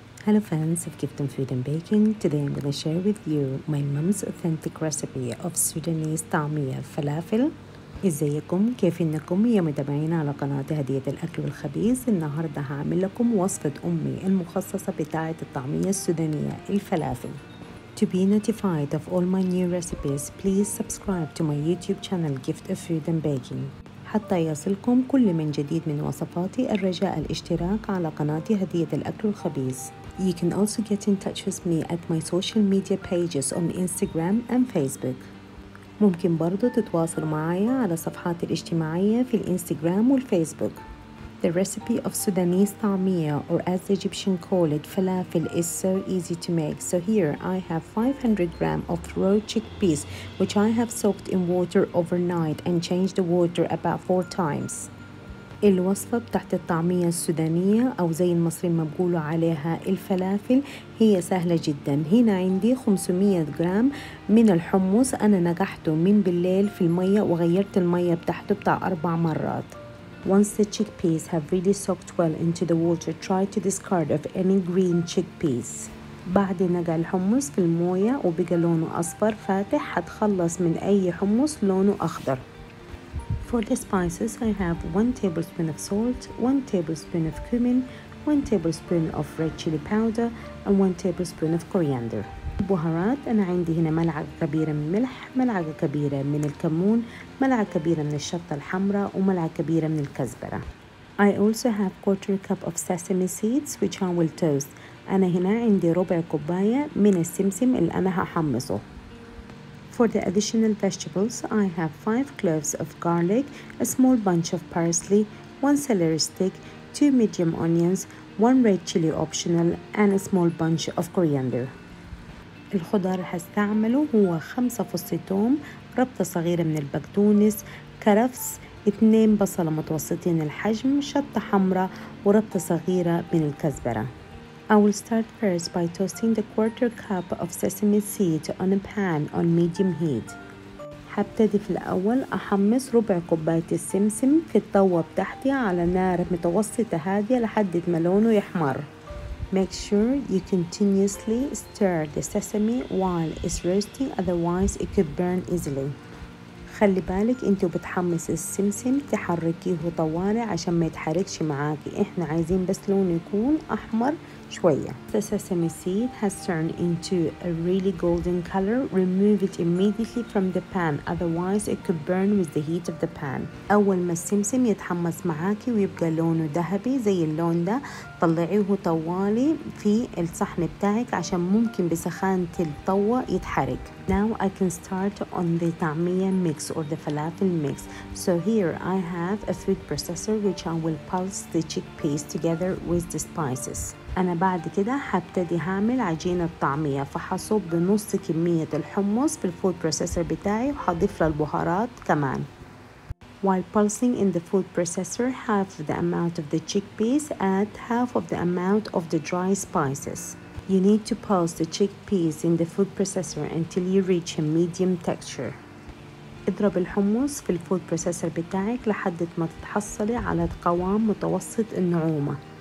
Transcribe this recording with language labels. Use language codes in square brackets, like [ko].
[en] Hello friends of Gifton Food and Baking. Today I'm going to share with you my mom's authentic recipe of Sudanese Tamia Falafel. [ar] ازيكم كيفينكم يا متابعين على قناة هدية الأكل والخبيز. النهاردة هعمل لكم وصفة أمي المخصصة بتاعة الطعمية السودانية الفلافل. [en] To be notified of all my new recipes, please subscribe to my YouTube channel Gift of Food and Baking. [ar] حتى يصلكم كل من جديد من وصفاتي الرجاء الاشتراك على قناة هدية الأكل والخبيز. [en] You can also get in touch with me at my social media pages on Instagram and Facebook. [ar] ممكن برضو تتواصل معايا على صفحات الاجتماعية في الانستغرام والفيسبوك. [en] The recipe of Sudanese tamia, or as the Egyptian call it, falafel, is so easy to make. So here I have 500 grams of raw chickpeas, which I have soaked in water overnight and changed the water about 4 times. [ar] الوصفة بتاعت الطعمية السودانية أو زي المصريين ما بيقولوا عليها الفلافل هي سهلة جدا. هنا عندي 500 جرام من الحمص، أنا نقحته من بالليل في المية وغيرت المية بتاعته بتاع 4 مرات. [en] Once the chickpeas have really soaked well into the water, try to discard of any green chickpeas. [ar] بعد نقع الحمص في الموية وبقى لونه أصفر فاتح هتخلص من أي حمص لونه أخضر. [en] For the spices, I have 1 tablespoon of salt, 1 tablespoon of cumin, 1 tablespoon of red chili powder, and 1 tablespoon of coriander. [ar] البهارات أنا عندي هنا ملعقة كبيرة من الملح، ملعقة كبيرة من الكمون، ملعقة كبيرة من الشطة الحمراء، وملعقة كبيرة من الكزبرة. [en] I also have 1/4 cup of sesame seeds, which I will toast. [ar] أنا هنا عندي ربع كوباية من السمسم اللي أنا هحمصه. [en] For the additional vegetables, I have 5 cloves of garlic, a small bunch of parsley, 1 celery stick, 2 medium onions, 1 red chili optional, and a small bunch of coriander. [ar] الخضار هستعمله هو 5 فص ثوم، ربطة صغيرة من البقدونس، كرفس، 2 بصلة متوسطين الحجم، شطة حمراء، وربطة صغيرة من الكزبرة. [en] I will start first by toasting the 1/4 cup of sesame seed on a pan on medium heat. [ar] هبتدي في الأول أحمص ربع كوباية السمسم في الطوة بتاعتي على نار متوسطة هادية لحد ما لونه يحمر. [en] Make sure you continuously stir the sesame while it's roasting, otherwise it could burn easily. [ar] خلي بالك انتو بتحمص السمسم تحركيه طوالي عشان ما يتحركش معاكي، احنا عايزين بس لونه يكون احمر شوية. [en] The sesame seed has turned into a really golden color. Remove it immediately from the pan, otherwise it could burn with the heat of the pan. [ar] اول ما السمسم يتحمص معاكي ويبقى لونه ذهبي زي اللون ده طلعيه طوالي في الصحن بتاعك عشان ممكن بسخانة الطوة يتحرك. [en] Now I can start on the tamia mix or the falafel mix. So here I have a food processor which I will pulse the chickpeas together with the spices. [ar] أنا بعد كده هبتدي هعمل عجينة طعمية فحصب نص كمية الحمص في الفود بروسيسور بتاعي وحضيف للبهارات كمان. [en] While pulsing in the food processor, half the amount of the chickpeas, add half of the amount of the dry spices. You need to pulse the chickpeas in the food processor until you reach a medium texture. [ar] اضرب الحمص في الفود بروسيسور بتاعك لحد ما تتحصلي على قوام متوسط النعومة.